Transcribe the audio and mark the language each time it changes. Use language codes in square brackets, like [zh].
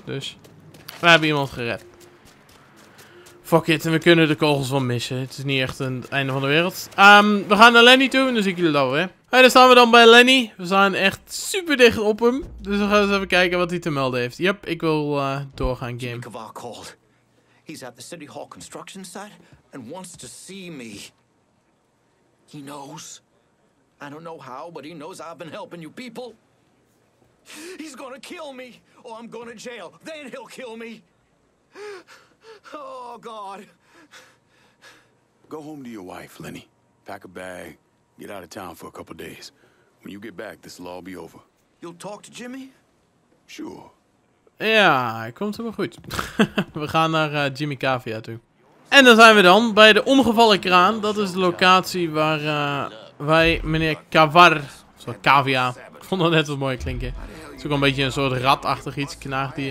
[nl] Dus we hebben iemand gered. Fuck it, en we kunnen de kogels wel missen. Het is niet echt het einde van de wereld. We gaan naar Lenny toe, en dan zie ik jullie dan weer. Hey, daar staan we dan bij Lenny. We staan echt super dicht op hem. Dus we gaan eens even kijken wat hij te melden heeft. Yep, ik wil doorgaan, game. [en] He's at the City Hall construction site and wants to see me. He knows. I don't know how, but he knows I've been helping you people. He's gonna kill me, or I'm going to jail. Then he'll kill me. Oh, God. Go home to your wife, Lenny. Pack a bag. Get out of town for a couple days. When you get back, this will all be over. You'll talk to Jimmy? Sure. [nl] Ja, hij komt helemaal goed. We gaan naar Jimmy Cavia toe. En dan zijn we dan bij de omgevallen kraan. Dat is de locatie waar wij meneer Cavar... Sorry, Cavia. Ik vond dat net wat mooi klinken. Het is ook een beetje een soort ratachtig iets, knaagdier.